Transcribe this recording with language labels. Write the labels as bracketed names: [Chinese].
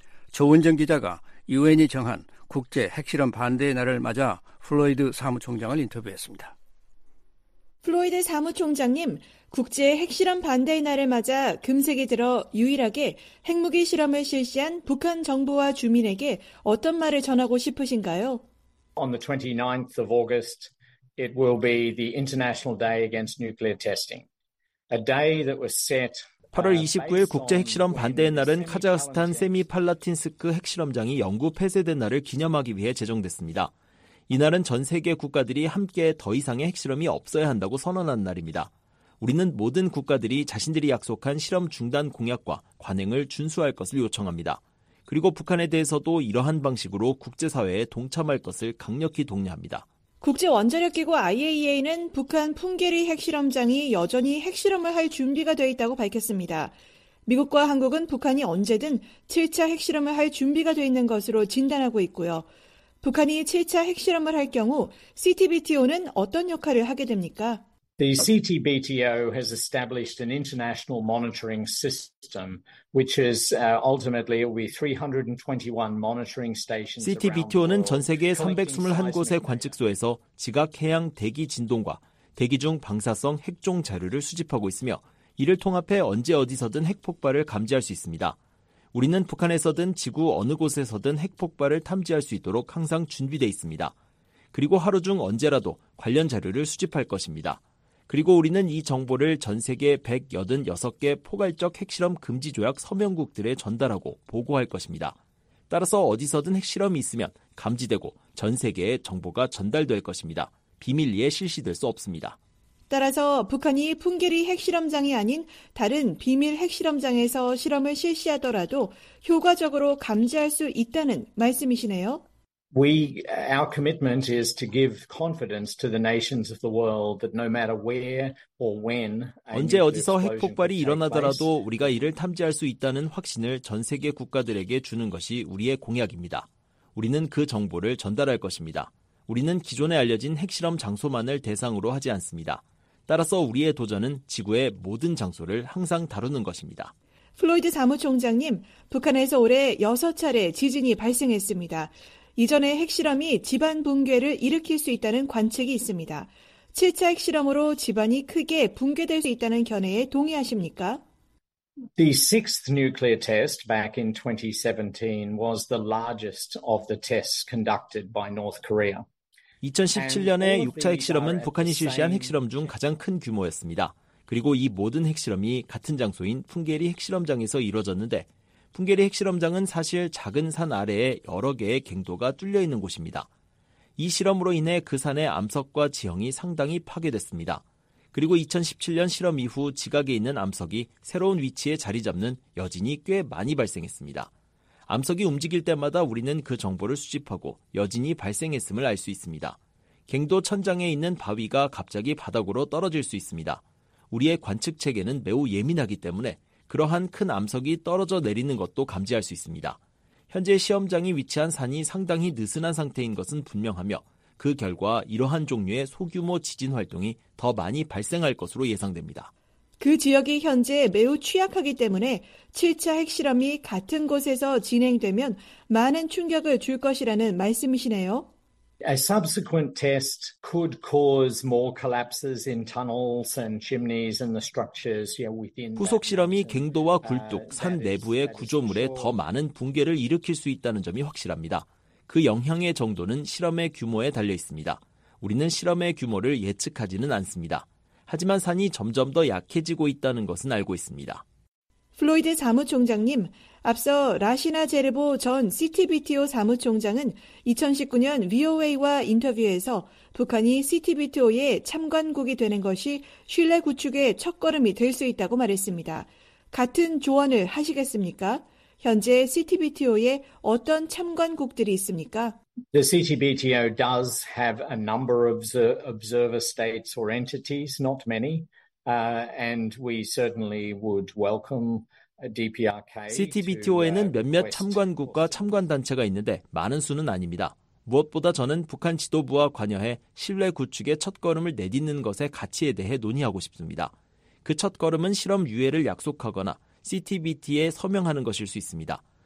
[Korean] 조은정 기자가 유엔이 정한 국제 핵실험 반대의 날을 맞아 플로이드 사무총장을 인터뷰했습니다. 플로이드 사무총장님, 국제 핵실험 반대의 날을 맞아 금세기 들어 유일하게 핵무기 실험을 실시한 북한 정부와 주민에게 어떤 말을 전하고 싶으신가요? [English] On the 29th of August, it will be the International Day Against Nuclear Testing, a day that was set. [Korean] 8월 29일 국제 핵실험 반대의 날은 카자흐스탄 세미 팔라틴스크 핵실험장이 영구 폐쇄된 날을 기념하기 위해 제정됐습니다. 이날은 전 세계 국가들이 함께 더 이상의 핵실험이 없어야 한다고 선언한 날입니다. 우리는 모든 국가들이 자신들이 약속한 실험 중단 공약과 관행을 준수할 것을 요청합니다. 그리고 북한에 대해서도 이러한 방식으로 국제사회에 동참할 것을 강력히 독려합니다. 국제원자력기구 IAEA는 북한 풍계리 핵실험장이 여전히 핵실험을 할 준비가 되어 있다고 밝혔습니다. 미국과 한국은 북한이 언제든 7차 핵실험을 할 준비가 되어 있는 것으로 진단하고 있고요. 북한이 7차 핵실험을 할 경우 CTBTO는 어떤 역할을 하게 됩니까? [English] The CTBTO has established an international monitoring system which is ultimately will be 321 monitoring stations. [Korean] CTBTO는 전 세계 321곳의 관측소에서 지각 해양 대기 진동과 대기 중 방사성 핵종 자료를 수집하고 있으며 이를 통합해 언제 어디서든 핵폭발을 감지할 수 있습니다. 우리는 북한에서든 지구 어느 곳에서든 핵폭발을 탐지할 수 있도록 항상 준비돼 있습니다. 그리고 하루 중 언제라도 관련 자료를 수집할 것입니다. 그리고 우리는 이 정보를 전 세계 186개 포괄적 핵실험 금지 조약 서명국들에 전달하고 보고할 것입니다. 따라서 어디서든 핵실험이 있으면 감지되고 전 세계에 정보가 전달될 것입니다. 비밀리에 실시될 수 없습니다. 따라서 북한이 풍계리 핵실험장이 아닌 다른 비밀 핵실험장에서 실험을 실시하더라도 효과적으로 감지할 수 있다는 말씀이시네요. [English] Our commitment is to give confidence to the nations of the world that no matter where or when [Korean] 언제 어디서 핵폭발이 일어나더라도 우리가 이를 탐지할 수 있다는 확신을 전 세계 국가들에게 주는 것이 우리의 공약입니다. 우리는 그 정보를 전달할 것입니다. 우리는 기존에 알려진 핵실험 장소만을 대상으로 하지 않습니다. 따라서 우리의 도전은 지구의 모든 장소를 항상 다루는 것입니다. 플로이드 사무총장님, 북한에서 올해 6차례 지진이 발생했습니다. 이전의 핵실험이 지반 붕괴를 일으킬 수 있다는 관측이 있습니다. 7차 핵실험으로 지반이 크게 붕괴될 수 있다는 견해에 동의하십니까? [English] The sixth nuclear test back in 2017 was the largest of the tests conducted by North Korea. [Korean] 2017년에 6차 핵실험은 북한이 실시한 핵실험 중 가장 큰 규모였습니다. 그리고 이 모든 핵실험이 같은 장소인 풍계리 핵실험장에서 이루어졌는데 풍계리 핵실험장은 사실 작은 산 아래에 여러 개의 갱도가 뚫려 있는 곳입니다. 이 실험으로 인해 그 산의 암석과 지형이 상당히 파괴됐습니다. 그리고 2017년 실험 이후 지각에 있는 암석이 새로운 위치에 자리 잡는 여진이 꽤 많이 발생했습니다. 암석이 움직일 때마다 우리는 그 정보를 수집하고 여진이 발생했음을 알 수 있습니다. 갱도 천장에 있는 바위가 갑자기 바닥으로 떨어질 수 있습니다. 우리의 관측 체계는 매우 예민하기 때문에 그러한 큰 암석이 떨어져 내리는 것도 감지할 수 있습니다. 현재 시험장이 위치한 산이 상당히 느슨한 상태인 것은 분명하며 그 결과 이러한 종류의 소규모 지진 활동이 더 많이 발생할 것으로 예상됩니다. 그 지역이 현재 매우 취약하기 때문에 7차 핵실험이 같은 곳에서 진행되면 많은 충격을 줄 것이라는 말씀이시네요. [English] A subsequent test could cause more collapses in tunnels and chimneys and the structures within. [Korean] 후속 실험이 갱도와 굴뚝, 산 내부의 구조물에 더 많은 붕괴를 일으킬 수 있다는 점이 확실합니다. 그 영향의 정도는 실험의 규모에 달려 있습니다. 우리는 실험의 규모를 예측하지는 않습니다. 하지만 산이 점점 더 약해지고 있다는 것은 알고 있습니다. 플로이드 사무총장님, 앞서 라시나 제르보 전 CTBTO 사무총장은 2019년 VOA와 인터뷰에서 북한이 CTBTO의 참관국이 되는 것이 신뢰 구축의 첫걸음이 될 수 있다고 말했습니다. 같은 조언을 하시겠습니까? 현재 CTBTO에 어떤 참관국들이 있습니까? [English] The CTBTO does have a number of observer states or entities, not many. And we certainly would welcome DPRK. [Korean] CTBTO에는 몇몇 참관국과 참관 단체가 있는데 많은 수는 아닙니다. 무엇보다 저는 북한 지도부와 관여해 신뢰 구축의 첫 걸음을 내딛는 것의 가치에 대해 논의하고 싶습니다. 그 첫 걸음은 실험 유예를 약속하거나 CTBT에 서명하는 것일 수 있습니다.